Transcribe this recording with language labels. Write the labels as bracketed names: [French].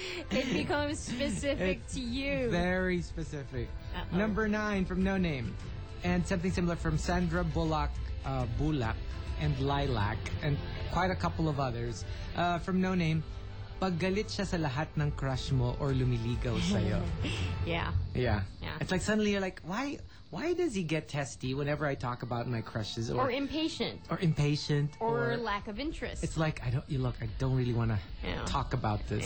[English] It becomes specific to you. Very specific. Uh-oh. Number 9 from No Name. And something similar from Sandra Bullock, Bullock and Lilac, and quite a couple of others from No Name. [Filipino] paggalit siya sa lahat ng crush mo or lumiligaw sa'yo. [English] Yeah. It's like suddenly you're like, why does he get testy whenever I talk about my crushes? Or impatient. Or impatient. Or lack of interest. It's like, I don't really want to talk about this.